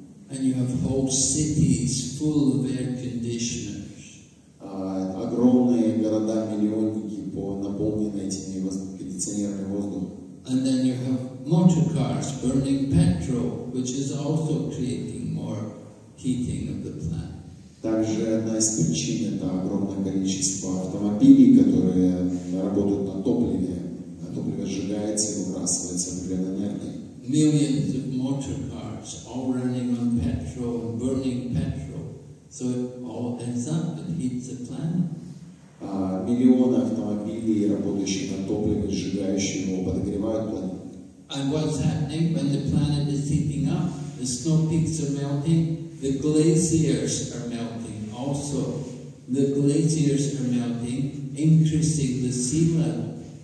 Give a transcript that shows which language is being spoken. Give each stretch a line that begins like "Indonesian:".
English: And you have whole cities full of air conditioners.
Russian: Огромные города, миллионники наполнены этими кондиционерами воздуха.
English: And then you have motor cars burning petrol, which is also creating more heating of the planet.
Russian: Также одна из причин – это огромное количество автомобилей, которые работают на топливе. На топливе сжигается и выбрасывается определенная энергия.
English: Millions of motor cars all running on petrol, burning petrol. So it all ends up and heats the planet.
Russian: Миллионы автомобилей, работающих на топливе, сжигающие его, подогревают планету.
English: And what's happening when the planet is heating up? The snow peaks are melting. The glaciers are melting also. The glaciers are melting, increasing the sea level.